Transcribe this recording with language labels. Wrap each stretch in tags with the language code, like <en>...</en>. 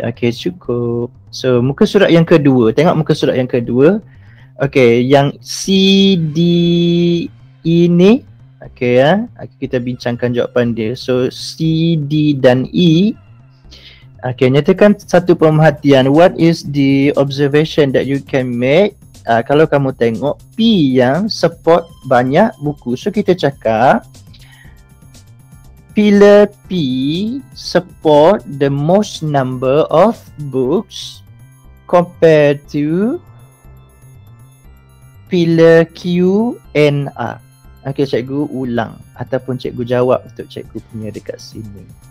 <ms>Okay, cukup. So, muka surat yang kedua. Tengok muka surat yang kedua. Okay, yang C, D, E ni. Okay ya, okay, kita bincangkan jawapan dia. So, C, D dan E. Okay, nyatakan satu pemerhatian.</ms> <en>What is the observation that you can make?</en> <ms>Kalau kamu tengok P yang support banyak buku.</ms> <en>So,</en> <ms>kita cakap</ms> <en>pillar P support the most number of books compared to pillar Q and R.</en> <ms>Okay, cikgu ulang ataupun cikgu jawab untuk cikgu punya dekat sini.</ms>